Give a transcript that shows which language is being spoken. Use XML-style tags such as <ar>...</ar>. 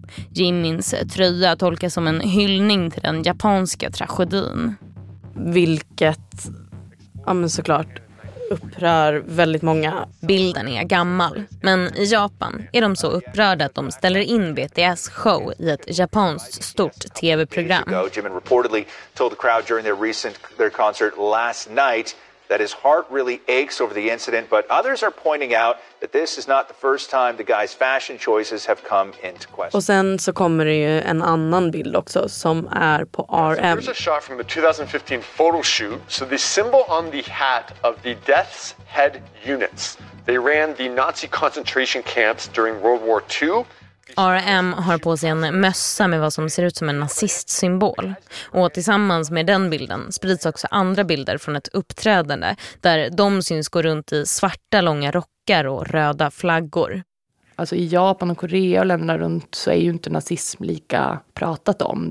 <sv>Jimins tröja tolkas som en hyllning till den japanska tragedin. Vilket, ja men såklart, upprör väldigt många. Bilden är gammal, men i Japan är de så upprörda att de ställer in BTS show i ett japanskt stort tv-program.</sv> <en>Jimin reportedly told the crowd during their recent concert last night that his heart really aches over the incident, but others are pointing out that this is not the first time the guy's fashion choices have come into question.</en> <sv>Och sen så kommer det ju en annan bild också som är på RM.</sv> <en>There's a shot from a 2015 photo shoot. So the symbol on the hat of the death's head units. They ran the Nazi concentration camps during World War II.</en> <sv>RM har på sig en mössa med vad som ser ut som en nazistsymbol. Och tillsammans med den bilden sprids också andra bilder från ett uppträdande där de syns gå runt i svarta långa rockar och röda flaggor. Alltså i Japan och Korea och länderna runt så är ju inte nazism lika pratat om.</sv>